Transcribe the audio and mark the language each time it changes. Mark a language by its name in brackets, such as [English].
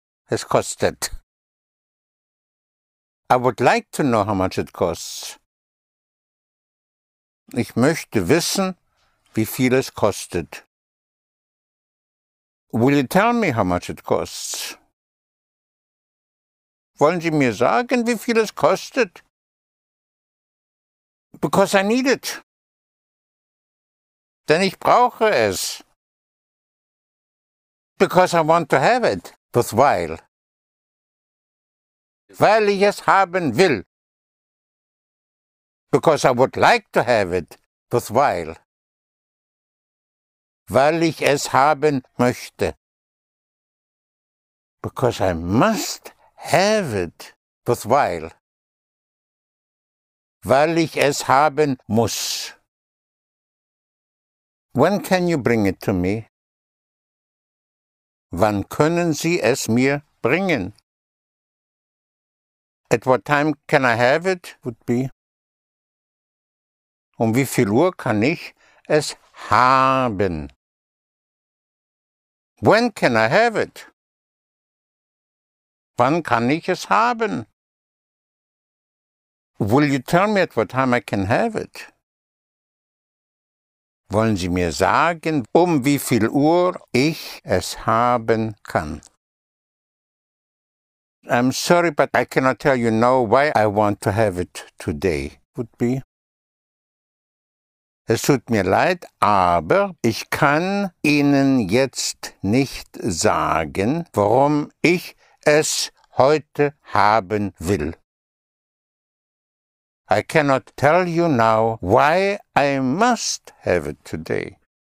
[German] Es kostet. [English] I would like to know how much it costs. [German] Ich möchte wissen, wie viel es kostet. [English] Will you tell me how much it costs? [German] Wollen Sie mir sagen, wie viel es kostet? [English] Because I need it. [German] Denn ich brauche es. [English] Because I want to have it. With while. [German] Weil ich es haben will. [English] Because I would like to have it, with while. [German] Weil ich es haben möchte. [English] Because I must have it, with while. [German] Weil ich es haben muss. [English] When can you bring it to me? [German] Wann können Sie es mir bringen? [English] At what time can I have it, would be. [German] Um wie viel Uhr kann ich es haben? [English] When can I have it? [German] Wann kann ich es haben? [English] Will you tell me at what time I can have it? [German] Wollen Sie mir sagen, um wie viel Uhr ich es haben kann? [English] I'm sorry, but I cannot tell you now why I want to have it today, would be. [German] Es tut mir leid, aber ich kann Ihnen jetzt nicht sagen, warum ich es heute haben will. [English] I cannot tell you now why I must have it today.